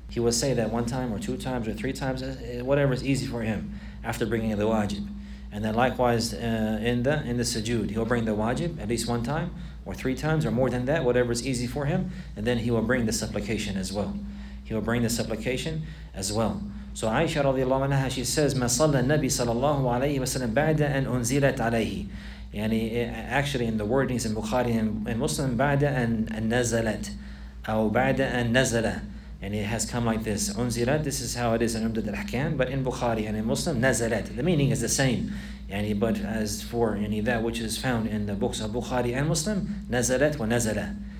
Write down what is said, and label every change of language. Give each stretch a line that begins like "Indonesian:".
English: He will say that one time or two times or three times, whatever is easy for him after bringing the wajib. And then likewise in the sujood, he'll bring the wajib at least one time or three times or more than that, whatever is easy for him. And then he will bring the supplication as well. He will bring the supplication as well. So Aisha radiallahu anha, she says,
Arabic: مَا صَلَّى النَّبِي صَلَى اللَّهُ عَلَيْهِ وَسَلَمْ بَعْدَ أَنْ أُنزِلَتْ عَلَيْهِ.
English: And actually in the wordings in Bukhari and Muslim,
Arabic: بَعْدَ أَنْ نَزَلَتْ أو بَعْدَ أَنْ نَزَلَ.
English: And it has come like this, أُنزِلَتْ, this is how it is in Umdad al-Hakam, but in Bukhari and in Muslim, نَزَلَتْ. The meaning is the same. يعني, but as for يعني, that which is found in the books of Bukhari and Muslim,
Arabic: نَزَلَتْ وَنَزَلَ.